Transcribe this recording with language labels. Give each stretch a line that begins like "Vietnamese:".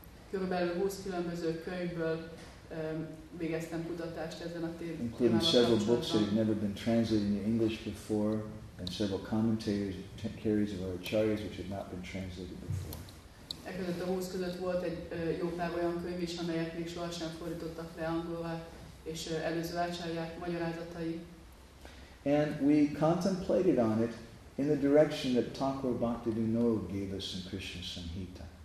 Hungarian: Körülbelül 20 különböző könyvből végeztem kutatást ezen a témában.
English: Including several books that have never been translated into English before, and several commentaries, commentaries of our acharyas which have not been translated before.
Hungarian: Ekközött a 20 között volt egy jó pár olyan könyv is, amelyek még sohasem fordítottak le angolra, és előző acharyák magyarázatai.
English: And we contemplated on it in the direction that Thakur Bhaktivinoda gave us in Krishna Samhita.